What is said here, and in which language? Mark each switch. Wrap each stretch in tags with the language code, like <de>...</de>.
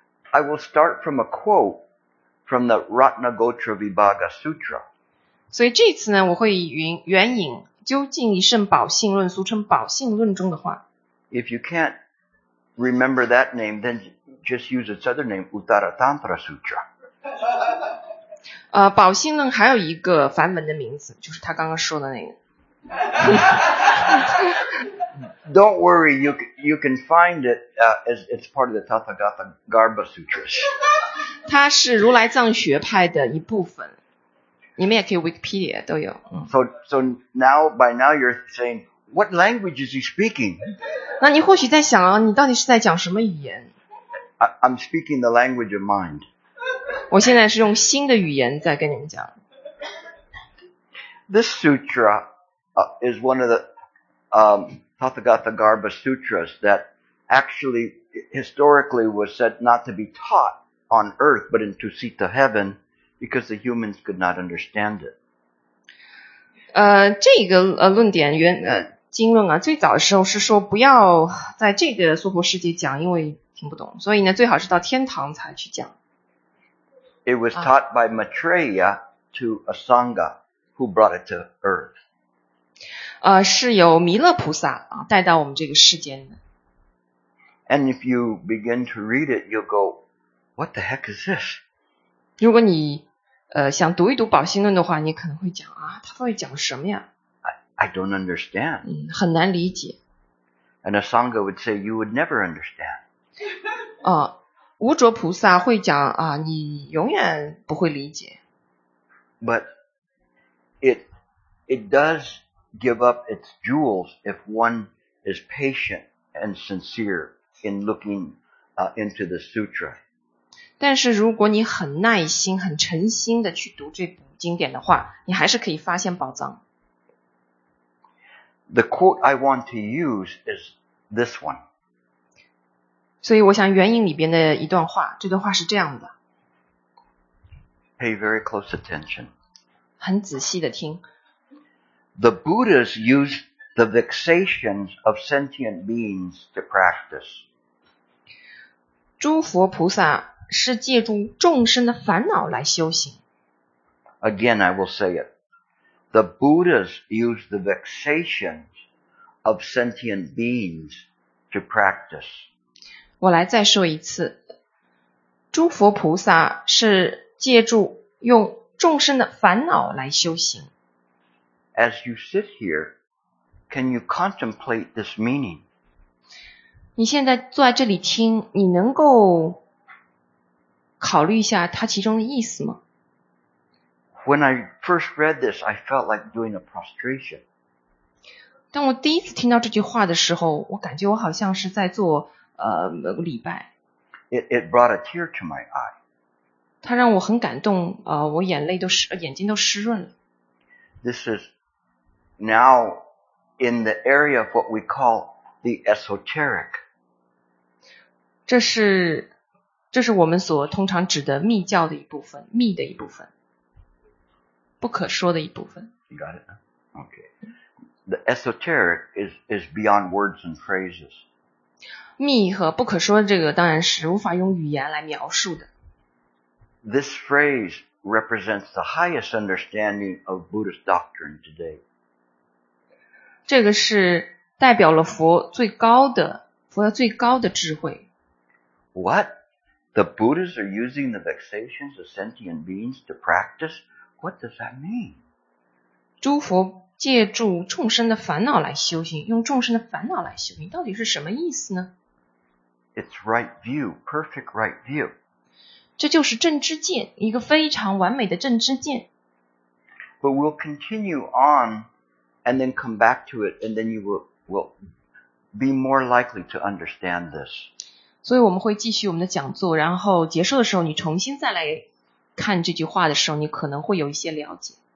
<en>I will start from a quote from the Ratnagotra Vibhaga Sutra.</en> <zh>所以这次呢，我会援引。究竟一圣宝性论俗称宝性论中的话</zh> <en>If you can't remember that name, then just use its other name, Uttara Tantra Sutra.</en> <zh>宝兴论还有一个梵文的名字，就是他刚刚说的那个。</zh> <en>Don't worry, you can find it as it's part of the Tathagata Garbha Sutras.</en> <zh>它是如来藏学派的一部分，你们也可以 Wikipedia 都有。</zh> <en>So now by now you're saying what language is he speaking?</en> <zh>那你或许在想啊，你到底是在讲什么语言？</zh> <en>I'm speaking the language of mind.</en> <zh>我现在是用新的语言在跟你们讲。</zh> <en>This sutra is one of the Tathagata Garbha Sutras that actually historically was said not to be taught on earth but in Tusita heaven because the humans could not understand it.</en> <zh>这个论点原经论啊，最早的时候是说不要在这个娑婆世界讲，因为听不懂，所以呢最好是到天堂才去讲。</zh> <en>It was taught by Maitreya to a Sangha who brought it to earth.</en> <zh>是由弥勒菩萨啊带到我们这个世间的。</zh> <en>And if you begin to read it, you'll go, "What the heck is this?"</en> <zh>如果你想读一读宝兴论的话，你可能会讲啊，他到底讲什么呀</zh> <en>？I don't understand.</en> <zh>很难理解。</zh> <en>And a sangha would say, "You would never understand."</en> <zh>无着菩萨会讲啊，你永远不会理解。</zh> <en>But it does. Give up its jewels if one is patient and sincere in looking into the sutra.</en> <zh>但是如果你很耐心、很诚心的去读这部经典的话，你还是可以发现宝藏。</zh> <en>The quote I want to use is this one.</en> <zh>所以我想援引里边的一段话，这段话是这样的。</zh> <en>Pay very close attention.</en> <zh>很仔细的听。</zh> <en>The Buddhas used the vexations of sentient beings to practice.</en> <zh>诸佛菩萨是借助众生的烦恼来修行。</zh> <en>Again, I will say it. The Buddhas used the vexations of sentient beings to practice.</en> <zh>我来再说一次。诸佛菩萨是借助用众生的烦恼来修行。</zh> <en>As you sit here, can you contemplate this meaning?</en> <zh>你现在坐在这里听，你能够考虑一下它其中的意思吗？</zh> <en>When I first read this, I felt like doing a prostration.</en> <zh>当我第一次听到这句话的时候，我感觉我好像是在做礼拜。</zh> <en>It brought a tear to my eye.</en> <zh>它让我很感动，我眼睛都湿润了。</zh> <en>This is. Now, in the area of what we call the esoteric.</en> <zh>这是我们所通常指的密教的一部分，密的一部分，不可说的一部分。</zh> <en>You got it? Okay. The esoteric is beyond words and phrases.</en> <zh>密和不可说这个当然是无法用语言来描述的。</zh> <en>This phrase represents the highest understanding of Buddhist doctrine today.</en> <zh>这个是代表了佛教最高的智慧。</zh> <en>What? The Buddhas are using the vexations of sentient beings to practice? What does that mean?</en> <zh>诸佛借助众生的烦恼来修行，用众生的烦恼来修行，到底是什么意思呢？</zh> <en>It's right view, perfect right view.</en> <zh>这就是正知见，一个非常完美的正知见。</zh> <en>But we'll continue on. And then come back to it, and then you will be more likely to understand this.</en> <zh>所以我们会继续我们的讲座，然后结束的时候，你重新再来看这句话的时候，你可能会有一些了解。</zh>